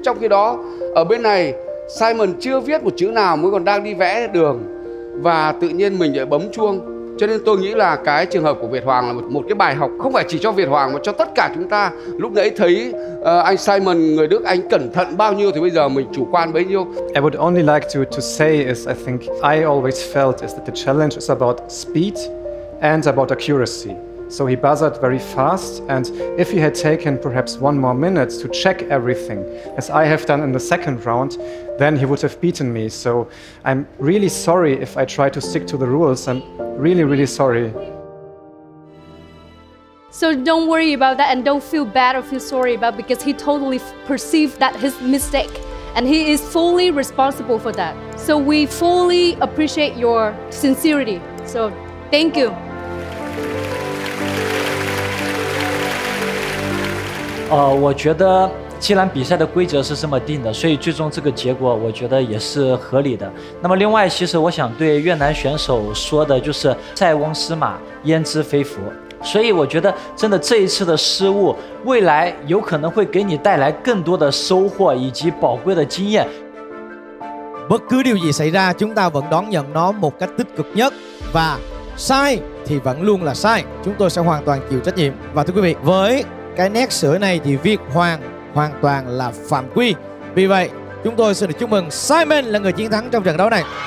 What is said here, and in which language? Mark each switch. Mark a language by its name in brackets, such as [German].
[Vietnamese] Trong khi đó, ở bên này Simon chưa viết một chữ nào, mới còn đang đi vẽ đường. Và tự nhiên mình lại bấm chuông. Cho nên tôi nghĩ là cái trường hợp của Việt Hoàng là một cái bài học không phải chỉ cho Việt Hoàng mà cho tất cả chúng ta. Lúc nãy thấy anh Simon, người Đức, anh cẩn thận bao nhiêu thì bây giờ mình chủ quan bấy nhiêu. [English] I would only like to say is I think I always felt is that the challenge is about speed and about accuracy. So he buzzed very fast, and if he had taken perhaps one more minute to check everything, as I have done in the second round, then he would have beaten me. So I'm really sorry if I try to stick to the rules. I'm really, really sorry. So don't worry about that, and don't feel bad or feel sorry about, because he totally perceived that his mistake, and he is fully responsible for that. So we fully appreciate your sincerity. So thank you. [Chinese] Uh, 我觉得既然比赛的规则是这么定的，所以最终这个结果我觉得也是合理的。那么另外其实我想对越南选手说的就是，塞翁失马焉知非福，所以我觉得真的这一次的失误未来有可能会给你带来更多的收获以及宝贵的经验。 [Vietnamese] Bất cứ điều gì xảy ra, chúng ta vẫn đón nhận nó một cách tích cực nhất. Và sai thì vẫn luôn là sai, chúng tôi sẽ hoàn toàn chịu trách nhiệm. Và thưa quý vị, với cái nét sửa này thì Việt Hoàng hoàn toàn là phạm quy. Vì vậy, chúng tôi xin được chúc mừng Simon là người chiến thắng trong trận đấu này.